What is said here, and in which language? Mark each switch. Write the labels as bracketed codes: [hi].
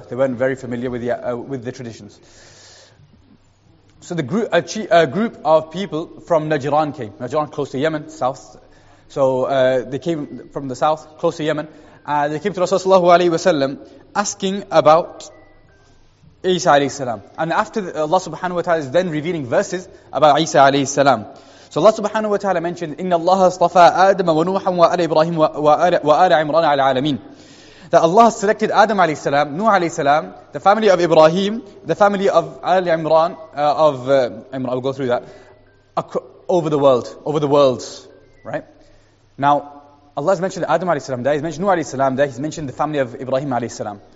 [en] They weren't very familiar with the traditions. So the group, a group of people from Najran came. Najran, close to Yemen, south. So they came from the south, close to Yemen. They came to Rasulullah ﷺ asking about Isa alayhi salam. And after Allah subhanahu wa ta'ala is then revealing verses about Isa alayhi salam. So Allah subhanahu wa ta'ala mentioned, [ar] إِنَّ اللَّهَ اصْطَفَى آدَمَ وَنُوحًا وَآلَ إِبْرَاهِيمُ وَآلَ عِمْرَانَ عَلَى الْعَالَمِينَ. [en] That Allah selected Adam alayhi salam, Nuh alayhi salam, the family of Ibrahim, the family of Al Imran, I'll go through that, over the worlds, right? Now, Allah has mentioned Adam alayhi salam there, He's mentioned Nuh alayhi salam there, He's mentioned the family of Ibrahim alayhi salam.